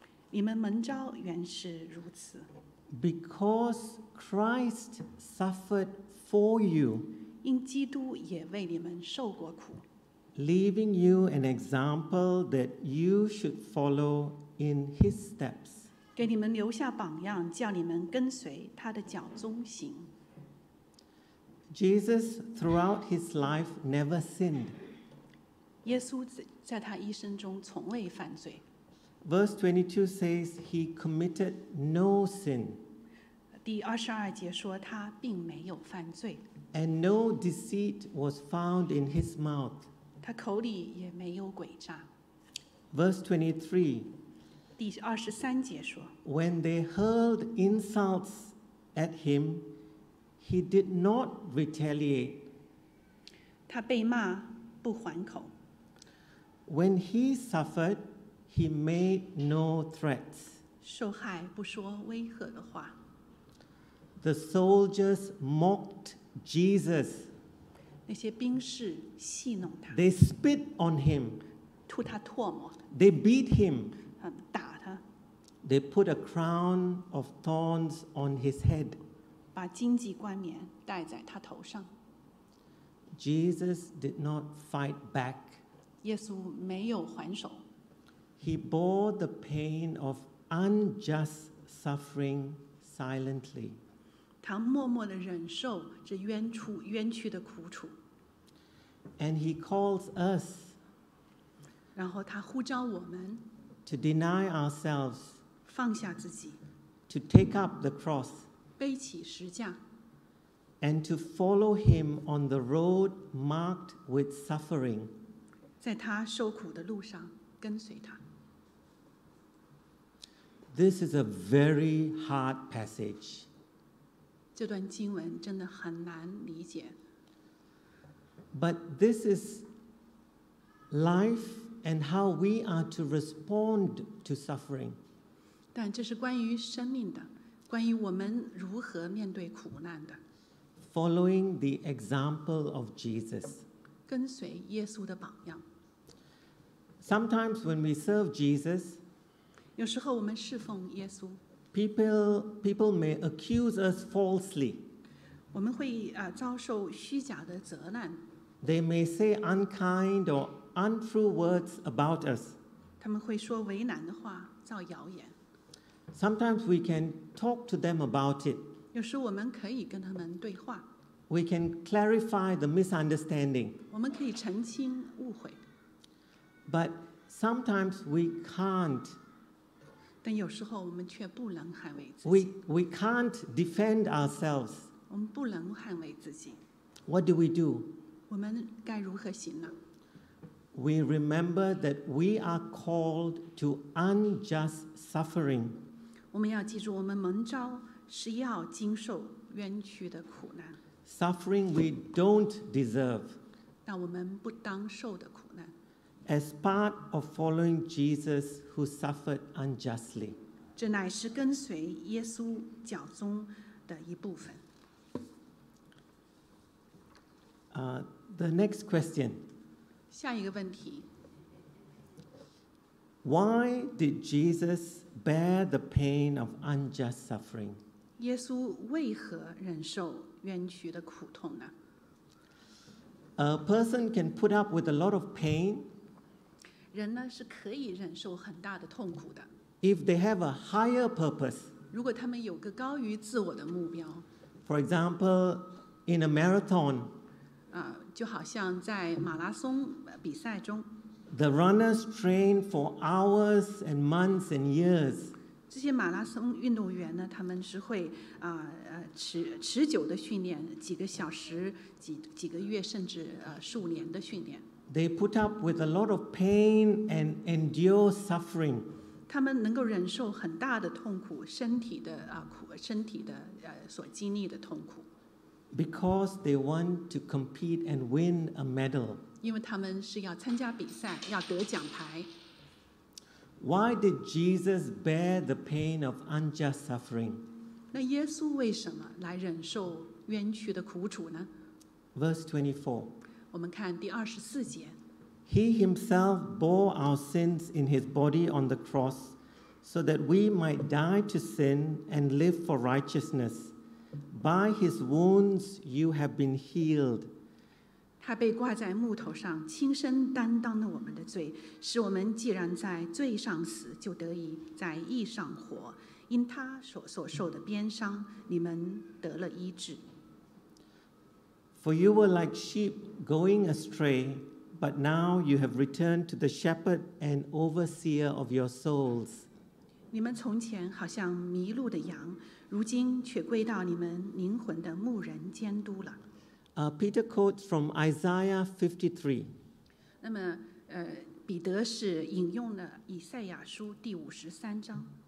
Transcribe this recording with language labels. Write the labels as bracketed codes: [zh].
[zh] 你们蒙召原是如此。 [en] Because Christ suffered for you. [zh] 因基督也为你们受过苦。 [en] Leaving you an example that you should follow in his steps. [zh] 给你们留下榜样，叫你们跟随他的脚踪行。 [en] Jesus throughout his life never sinned. [zh] 耶稣在他一生中从未犯罪。 [en] Verse 22 says he committed no sin. [zh] 第二十二节说他并没有犯罪。 [en] And no deceit was found in his mouth. [zh] 他口里也没有诡诈。 [en] Verse 23. [zh] 第二十三节说。 [en] When they hurled insults at him, he did not retaliate. [zh] 他被骂不还口。 [en] When he suffered, he made no threats. [zh] 受害不说威吓的话。 [en] The soldiers mocked Jesus. [zh] 那些兵士戏弄他。 [en] They spit on him. [zh] 吐他唾沫。 [en] They beat him. [zh] 打他。 [en] They put a crown of thorns on his head. [zh] 把荆棘冠冕戴在他头上。 [en] Jesus did not fight back. [zh] 耶稣没有还手。 [en] He bore the pain of unjust suffering silently. [zh] 他默默地忍受这冤屈的苦楚。 [en] And he calls us. [zh] 然后他呼召我们。 [en] To deny ourselves. [zh] 放下自己。 [en] To take up the cross. [zh] 背起十字架。 [en] And to follow him on the road marked with suffering. [zh] 在他受苦的路上跟随他。 [en] This is a very hard passage. [zh] 这段经文真的很难理解。 [en] But this is life and how we are to respond to suffering. [zh] 但这是关于生命的，关于我们如何面对苦难的。 [en] Following the example of Jesus. [zh] 跟随耶稣的榜样。 [en] Sometimes when we serve Jesus, [zh] 有时候我们侍奉耶稣, [en] people may accuse us falsely. [zh] 我们会遭受虚假的责难。 [en] They may say unkind or untrue words about us. [zh] 他们会说为难的话，造谣言。 [en] Sometimes we can talk to them about it. [zh] 有时我们可以跟他们对话。 [en] We can clarify the misunderstanding. [zh] 我们可以澄清误会。 [en] But sometimes we can't. [zh] 但有时候我们却不能捍卫自己。 [en] We can't defend ourselves. [zh] 我们不能捍卫自己。 [en] What do we do? [zh] 我们该如何行呢？ [en] We remember that we are called to unjust suffering. [zh] 我们要记住，我们蒙召是要经受冤屈的苦难。 [en] Suffering we don't deserve. [zh] 那我们不当受的苦难。 [en] As part of following Jesus who suffered unjustly. [zh] 这乃是跟随耶稣脚踪的一部分。 [en] The next question. [zh] 下一个问题。 [en] Why did Jesus bear the pain of unjust suffering? [zh] 耶稣为何忍受冤屈的苦痛呢？ [en] A person can put up with a lot of pain. [zh] 人呢是可以忍受很大的痛苦的。 [en] If they have a higher purpose. [zh] 如果他们有个高于自我的目标。 [en] For example, in a marathon. [zh] 就好像在马拉松比赛中 [en] ，The runners train for hours and months and years. [zh] 这些马拉松运动员呢，他们是会持久的训练，几个小时、几个月，甚至数年的训练。 [en] They put up with a lot of pain and endure suffering. [zh] 他们能够忍受很大的痛苦，身体的苦，身体的所经历的痛苦。 [en] Because they want to compete and win a medal. [zh] 因为他们是要参加比赛，要得奖牌。 [en] Why did Jesus bear the pain of unjust suffering? [zh] 那耶稣为什么来忍受冤屈的苦楚呢？ [en] Verse 24. [zh] 我们看第二十四节。 [en] He himself bore our sins in his body on the cross, so that we might die to sin and live for righteousness. By his wounds you have been healed. [zh] 他被挂在木头上，亲身担当了我们的罪，使我们既然在罪上死，就得以在义上活。因他所受的鞭伤，你们得了医治。 [en] For you were like sheep going astray, but now you have returned to the shepherd and overseer of your souls. [zh] 你们从前好像迷路的羊。如今却归到你们灵魂的牧人监督了。 [en] Peter quotes from Isaiah 53. [zh] 那么，彼得是引用了以赛亚书第五十三章。